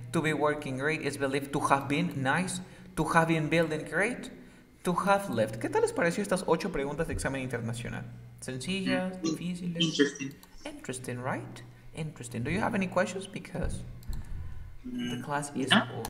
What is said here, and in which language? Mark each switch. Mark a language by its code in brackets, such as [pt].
[en] To be working great is believed to have been nice. To have been building great. To have lived. [es] ¿Qué tal les pareció estas 8 preguntas de examen internacional? Sencillas, difíciles. [en] Interesting, right? Interesting. Do you have any questions? Because the class is over.